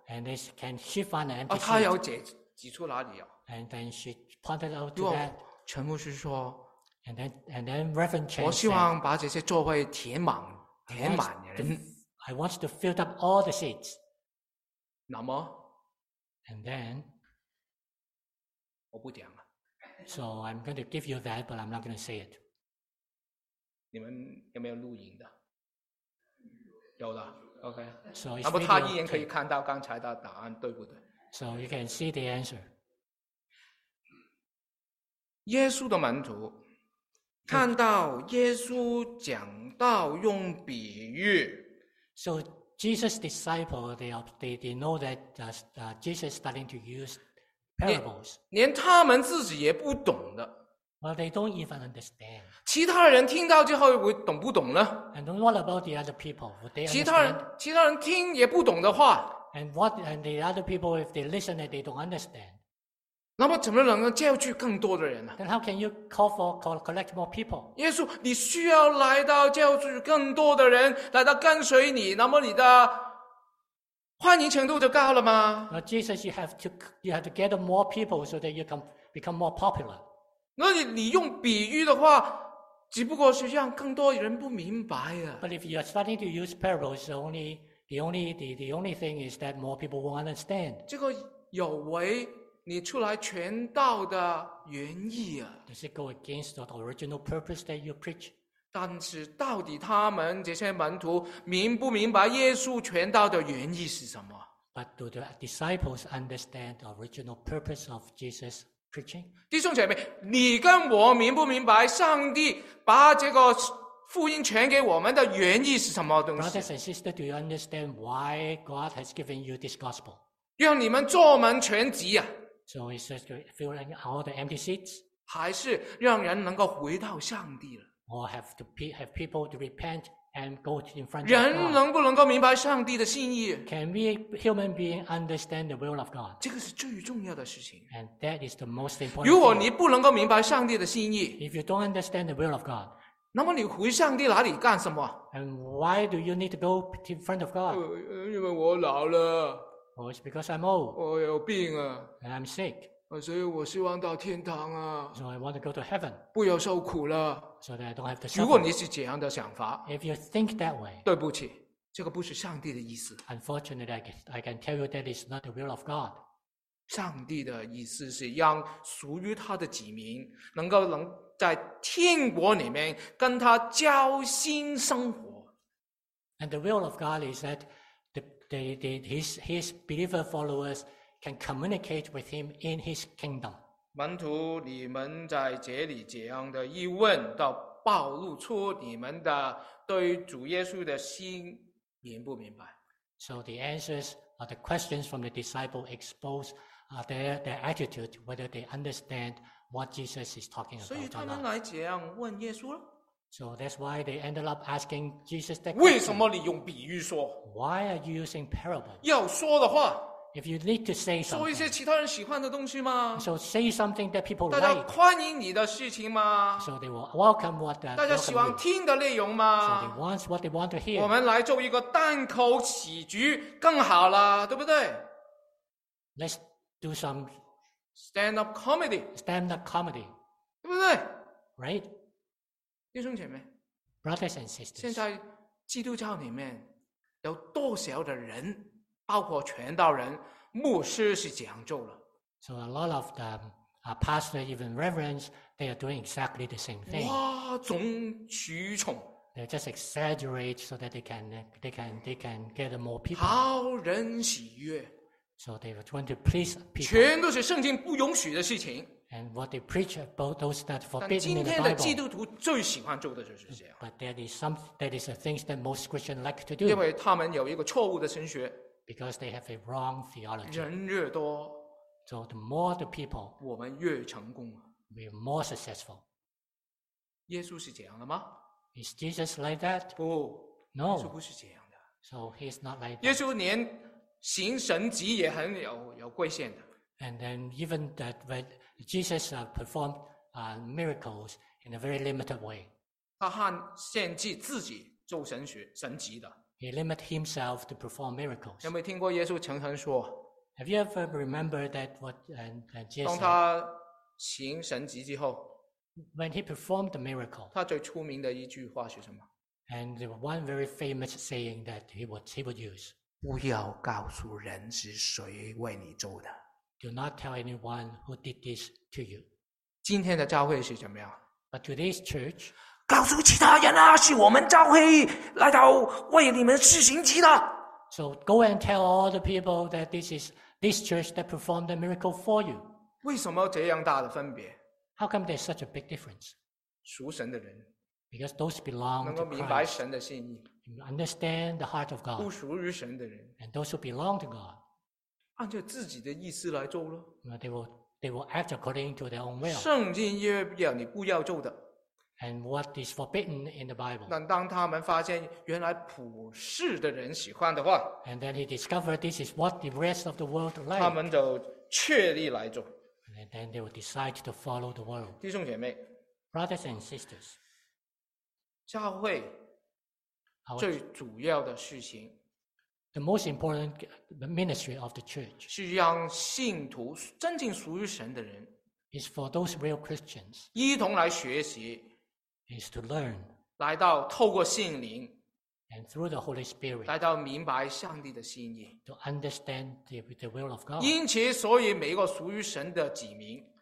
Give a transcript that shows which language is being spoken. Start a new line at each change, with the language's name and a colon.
English: And this, can she find an empty seat?
Chinese: 他有挤出哪里啊？
English: And then she pointed out to that.
Chinese: 全部是说。
English: And then Reverend Chen
Chinese: 我希望把这些座位填满，填满人。
English: I want to fill up all the seats.
Chinese: 那么
English: ？And then，
Chinese: 我不点了。
English: So I'm going to give you that, but I'm not going to say it.
Chinese: 你们有没有录音的？有的。OK。
English: So
Chinese: 那么他一眼可以看到刚才的答案，对不对
English: ？So you can see the answer.
Chinese: 耶稣的门徒。看到耶稣讲道用比喻
English: ，So Jesus' disciple they know that Jesus starting to use parables.
Chinese: 连他们自己也不懂的
English: ，Well they don't even understand.
Chinese: 其他人听到之后会懂不懂呢
English: ？And what about the other people? Would they understand?
Chinese: 其他人听也不懂的话
English: ，And the other people if they listen and they don't understand?
Chinese: 那么怎么能够叫去更多的人呢
English: ？Then how can you call for collect more people？
Chinese: 耶稣，你需要来到叫去更多的人，来到跟随你，那么你的欢迎程度就高了吗
English: ？Now Jesus, you have to get more people so that you can become more popular.
Chinese: 那你用比喻的话，只不过是让更多人不明白啊。
English: But if you are starting to use parables, the only thing is that more people won't understand.
Chinese: 这个有违。你出来传道的原意啊
English: ？Does it go against the original purpose that you preach？
Chinese: 但是到底他们这些门徒明不明白耶稣传道的原意是什么
English: ？But do the disciples understand the original purpose of Jesus preaching？
Chinese: 弟兄姐妹，你跟我明不明白上帝把这个福音传给我们的原意是什么东西
English: ？Brothers and sisters, do you understand why God has given you this gospel？
Chinese: 让你们坐满全席啊
English: ！So he says to fill in all the empty seats.
Chinese: 还是让人能够回到上帝了
English: ？Or have people to repent and go in front of God.
Chinese: 人能不能够明白上帝的心意
English: ？Can we human being understand the will of God?
Chinese: 这个是最重要的事情。
English: And that is the most important.
Chinese: 如果你不能够明白上帝的心意
English: ，If you don't understand the will of God,
Chinese: 那么你回上帝哪里干什么
English: ？And why do you need to go in front of God?
Chinese: 因为我老了。
English: Oh, it's because I'm old.
Chinese: 我有病啊。
English: And I'm sick.
Chinese: 所以我希望到天堂啊。
English: So I want to go to heaven.
Chinese: 不要受苦了。
English: So that I don't have to suffer.
Chinese: 如果你是这样的想法。
English: If you think that way.
Chinese: 对不起，这个不是上帝的意思。
English: Unfortunately, I can tell you that is not the will of God.
Chinese: 上帝的意思是让属于他的子民能够在天国里面跟他交心生活。
English: And the will of God is that His believer followers can communicate with him in his kingdom.
Chinese: 门徒，你们在这里这样的一问，到暴露出你们的对主耶稣的心明不明白
English: ？So the answers are the questions from the disciple expose their attitude, whether they understand what Jesus is talking about.
Chinese: 所以他们来这样问耶稣了。
English: So that's why they ended up asking Jesus that.
Chinese: 为什么你用比喻说
English: ？Why are you using parable？
Chinese: 要说的话
English: ，If you need to say something，
Chinese: 说一些其他人喜欢的东西吗
English: ？So say something that people like。
Chinese: 大家欢迎你的事情吗
English: ？So they will welcome what they.
Chinese: 大家喜欢听的内容吗
English: ？So they want what they want to hear。
Chinese: 我们来做一个单口喜剧更好了，对不对
English: ？Let's do some stand up comedy。 Stand up comedy，
Chinese: 对不对
English: ？Right。
Chinese: 弟兄姐妹
English: ，Brothers and sisters，
Chinese: 现在基督教里面有多少的人，包括传道人、牧师是这样做了
English: ？So a lot of the pastors, even reverends, they are doing exactly the same thing.
Chinese: 哗众取宠
English: ，They just exaggerate so that they can get more people.
Chinese: 讨人喜悦
English: ，So they were trying to please people.
Chinese: 全都是圣经不允许的事情。
English: And what they preach about those that forbidden in the Bible.
Chinese: 但今天的基督徒最喜欢做的就是这样。
English: But that is the things that most Christians like to do.
Chinese: 因为他们有一个错误的神学。
English: Because they have a wrong theology.
Chinese: 人越多
English: ，so the more the people，
Chinese: 我们越成功
English: ，we are more successful.
Chinese: 耶稣是这样的吗
English: ？Is Jesus like that？
Chinese: 不
English: ，No，
Chinese: 耶稣不是这样的。
English: So he's not like that.
Chinese: 耶稣连行神迹也很有贵限的。
English: And then even that when Jesus performed miracles in a very limited way.
Chinese: 他和献祭自己做神学神迹的。
English: He limited himself to perform miracles.
Chinese: 有没有听过耶稣曾经说
English: ？Have you ever remembered that what Jesus?
Chinese: 当他行神迹之后
English: ，When he performed the miracle,
Chinese: 他最出名的一句话是什么
English: ？And there was one very famous saying that he would use.
Chinese: 不要告诉人是谁为你做的。
English: Do not tell anyone who did this to you.
Chinese: 今天的教会是怎么样
English: ？But today's church.
Chinese: 告诉其他人啊，是我们教会来到为你们施行迹的。
English: So go and tell all the people that this church that performed the miracle for you.
Chinese: 为什么这样大的分别
English: ？How come there's such a big difference?
Chinese: 属神的人
English: ，because those belong to Christ.
Chinese: 能够明白神的心意
English: ，understand the heart of God.
Chinese: 不属于神的人
English: ，and those who belong to God.
Chinese: 按照自己的意思来做了。
English: They will act according to their own will.
Chinese: 圣经约表你不要做的。
English: And what is forbidden in the Bible?
Chinese: 但当他们发现原来普世的人喜欢的话
English: ，And then he discovered this is what the rest of the world like.
Chinese: 他们就确立来做。
English: And then they will decide to follow the world.
Chinese: 弟兄姐妹
English: ，Brothers and sisters,
Chinese: 教会最主要的事情
English: ，The most important ministry of the church
Chinese: 是让信徒真正属于神的人
English: ，is for those real Christians
Chinese: 一同来学习。
English: Is to learn,
Chinese: 来到透过圣灵
English: and through the Holy Spirit,
Chinese: 来到明白上帝的心意
English: to understand the will of God.
Chinese: 因此，所以每一个属于神的子民